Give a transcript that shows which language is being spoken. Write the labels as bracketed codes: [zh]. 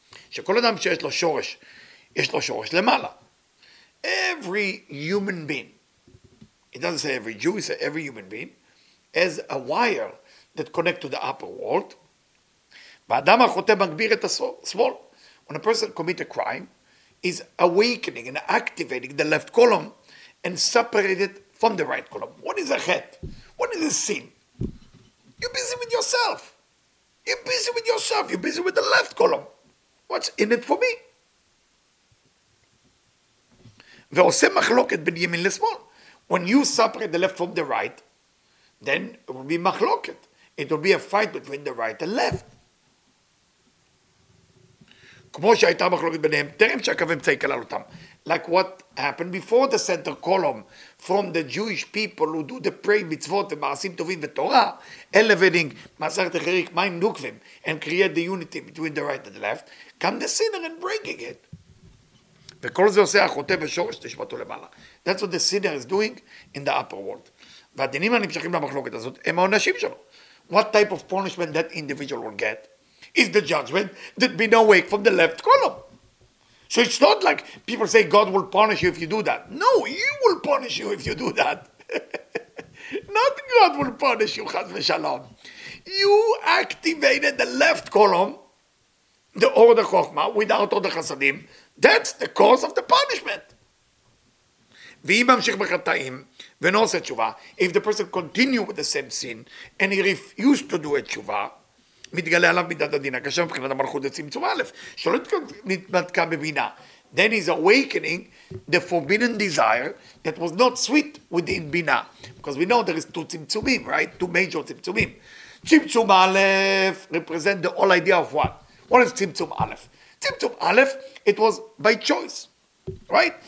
[he] שכל אדם שיש לו שורש, יש לו שורש למעלה. [en] Every human being, it doesn't say every Jew, it says every human being, has a wire that connects to the upper world. [he] ואדם החוטא מגביר את השמאל. [en] When a person commits a crime, is awakening and activating the left column and separate it from the right column. What is a chetah? What is a sin? You're busy with yourself. You're busy with yourself. You're busy with the left column. What's in it for me? [he] ועושה מחלוקת בין ימין לשמאל. [en] When you separate the left from the right, then it will be מחלוקת. It will be a fight between the right and left. [he] כמו שהייתה מחלוקת ביניהם, תרם שהקו אמצעי כלל אותם. [en] Like what happened before the center column from the Jewish people who do the prayer mitzvot and ma'asim tovim v'torah, elevating ma'asach techerik ma'im nukvim and create the unity between the right and the left, come the sinner and breaking it. [he] וכל זה עושה החוטא בשורש תשמתו למעלה. [en] That's what the sinner is doing in the upper world. [he] והדינים הנמשכים למחלוקת הזאת הם העונשים שלו. [en] What type of punishment that individual will get is the judgment that being awake from the left column. So it's not like people say God will punish you if you do that. No, you will punish you if you do that. Not God will punish you, Chas v'Shalom. You activated the left column, the Order Chochmah, without Order Chassadim. That's the cause of the punishment. [he] ואם ממשיך בחטאים ולא עושה תשובה, [en] if the person continue with the same sin and he refused to do a תשובה, [he] מתגלה עליו מידת הדינה, כאשר מבחינת המלכות הצמצום א', שלא נתמתקה בבינה. [en] Then he's awakening the forbidden desire that was not sweet within בינה. Because we know there is two צמצומים, right? Two major צמצומים. צמצום א' represent the whole idea of what? What is צמצום א'? צמצום א', it was by choice, right?